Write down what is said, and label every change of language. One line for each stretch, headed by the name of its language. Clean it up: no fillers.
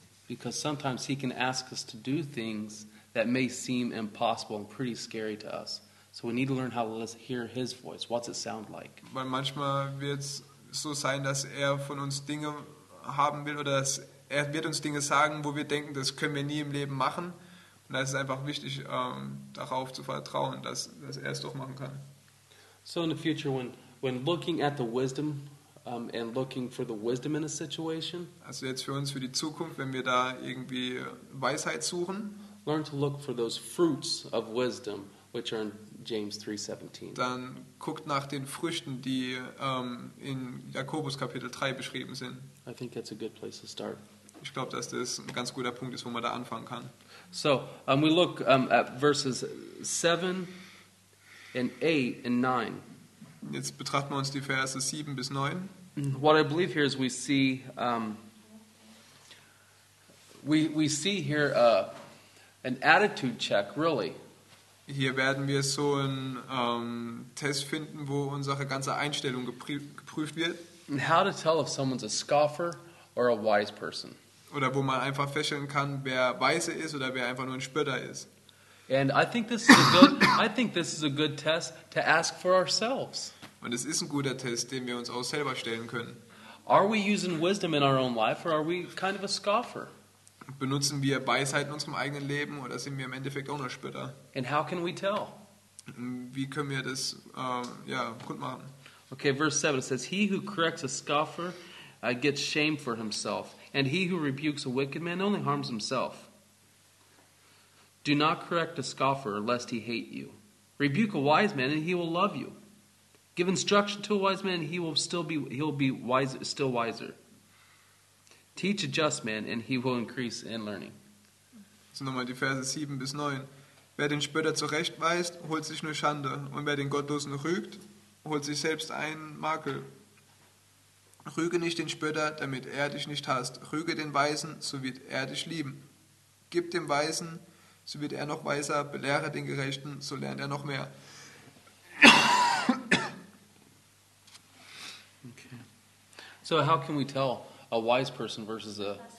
English: Because sometimes He can ask us to do things that may seem impossible and pretty scary to us. So we need to learn how to hear His voice. What's it sound like?
German: Weil manchmal wird es so sein, dass er von uns Dinge haben will oder dass er wird uns Dinge sagen, wo wir denken, das können wir nie im Leben machen. Und da ist es einfach wichtig, darauf zu vertrauen, dass er es doch machen kann.
English: So in the future, when looking at the wisdom and looking for the wisdom in a situation.
German: Also jetzt für uns für die Zukunft, wenn wir da irgendwie Weisheit suchen.
English: Learn to look for those fruits of wisdom, which are in James 3:17.
German: Dann guckt nach den Früchten, die in Jakobus Kapitel 3 beschrieben sind.
English: I think that's a good place to start.
German: Ich glaube, dass das ein ganz guter Punkt ist, wo man da anfangen kann.
English: So, we look at verses 7 and 8 and 9.
German: Jetzt betrachten wir uns die Verse 7 bis 9.
English: What I believe here is we see here an attitude check, really.
German: Hier werden wir so einen Test finden, wo unsere ganze Einstellung geprüft wird.
English: And how to tell if someone's a scoffer or a wise person.
German: Oder wo man einfach feststellen kann, wer weise ist oder wer einfach nur ein Spötter ist.
English: And I think this is a good test to ask for ourselves.
German: Und es ist ein guter Test, den wir uns auch selber stellen können.
English: Are we using wisdom in our own life or are we kind of a scoffer?
German: Benutzen wir Weisheit in unserem eigenen Leben oder sind wir im Endeffekt auch nur Spötter?
English: And how can we tell?
German: Wie können wir das gut machen?
English: Okay, verse 7 says he who corrects a scoffer gets shame for himself. And he who rebukes a wicked man only harms himself. Do not correct a scoffer, lest he hate you. Rebuke a wise man, and he will love you. Give instruction to a wise man, and he will be still wiser. Teach a just man, and he will increase in learning.
German: So nochmal die Verse 7 bis 9. Wer den Spötter zurechtweist, holt sich nur Schande. Und wer den Gottlosen rügt, holt sich selbst einen Makel. Rüge nicht den Spötter, damit er dich nicht hasst. Rüge den Weisen, so wird er dich lieben. Gib dem Weisen, so wird er noch weiser. Belehre den Gerechten, so lernt er noch mehr.
English: Okay. So how can we tell a wise person versus a...